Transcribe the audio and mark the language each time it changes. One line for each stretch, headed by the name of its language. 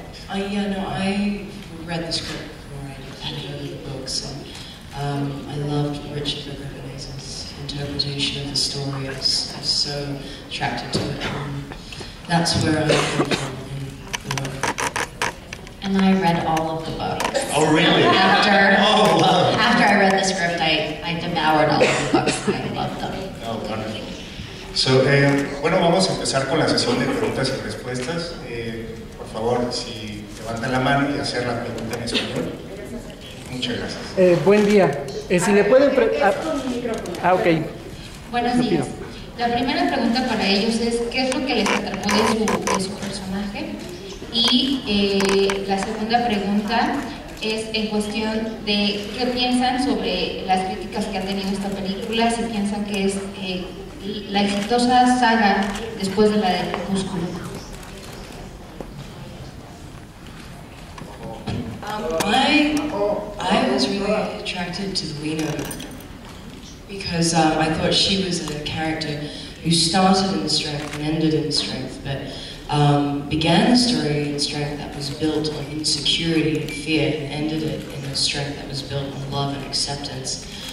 English: I read the script before I had heard of the books, and I loved Richard McGregor's interpretation of the story. I was so attracted to it. That's where I came from in the book. And I read all of the books. Oh, really? After I read the script, I devoured all of the books. I loved them. Oh, wonderful.
Spanish: So, bueno, vamos a empezar con la sesión de preguntas y respuestas. Por favor, si levantan la mano y hacer la pregunta en español. Muchas gracias. Buen día. Si me pueden... Ok. Buenos días. La primera pregunta para ellos es, ¿qué es lo que les atrapó de su personaje? Y la segunda pregunta es en cuestión de qué piensan sobre las críticas que ha tenido esta película, si piensan que es... la exitosa saga después de la de Crepúsculo.
English: I was really attracted to the Wiener because I thought she was a character who started in strength and ended in strength, but began the story in strength that was built on insecurity and fear, and ended it in a strength that was built on love and acceptance.